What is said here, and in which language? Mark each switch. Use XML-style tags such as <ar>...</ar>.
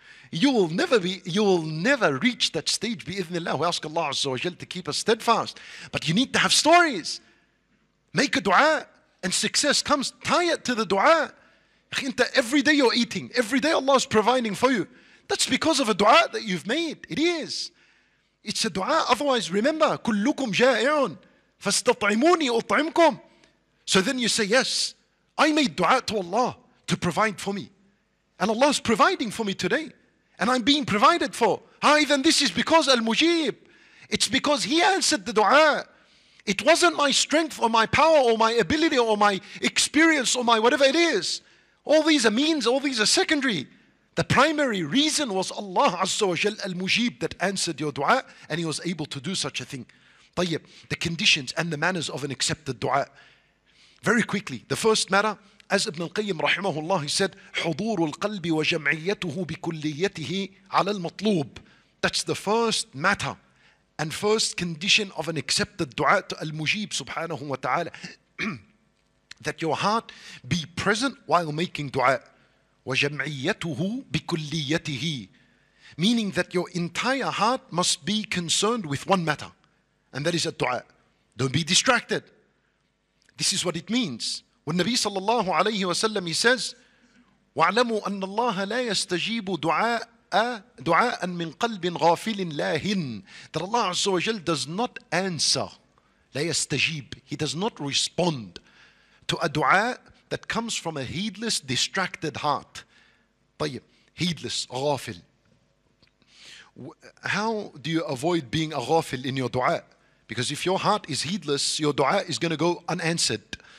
<en>You will never reach that stage, bi-ithnillah. We ask Allah Azza wa Jal to keep us steadfast. But you need to have stories. Make a dua and success comes. Tie it to the dua. Every day you're eating. Every day Allah is providing for you. That's because of a dua that you've made. It is. It's a dua. Otherwise, remember,</en> <ar>كُلُّكُمْ جَائِعٌ فَاسْتَطْعِمُونِي أُطْعِمْكُمْ.</ar> <en>So then you say, yes, I made dua to Allah to provide for me. And Allah is providing for me today. And I'm being provided for. Then this is because Al-Mujib. It's because He answered the dua. It wasn't my strength or my power or my ability or my experience or my whatever it is. All these are means, all these are secondary. The primary reason was Allah Azza wa Jal Al-Mujib that answered your dua and He was able to do such a thing. طيب, the conditions and the manners of an accepted dua. Very quickly, the first matter, as Ibn al-Qayyim rahimahullah, he said,</en> <ar>حضور القلب وجمعيته بكليته على المطلوب.</ar> <en>That's the first matter and first condition of an accepted dua to Al-Mujib subhanahu wa ta'ala. That your heart be present while making dua.</en> <ar>وَجَمْعِيَّتُهُ بِكُلِّيَّتِهِ.</ar> <en>Meaning that your entire heart must be concerned with one matter. And that is a dua. Don't be distracted. This is what it means. When Nabi sallallahu alayhi wa sallam, he says,</en> <ar>وَعْلَمُوا أَنَّ اللَّهَ لَا يَسْتَجِيبُ دُعَاءً دُعَاءً مِنْ قَلْبٍ غَافِلٍ لَاهِنْ.</ar> <en>That Allah Azza wa Jal does not answer.</en> <ar>لا يستجيب.</ar> <en>He does not respond to a dua that comes from a heedless, distracted heart.</en> <ar>طيب.</ar> <en>Heedless, غافل. How do you avoid being a غافل in your dua? Because if your heart is heedless, your dua is going to go unanswered.</en>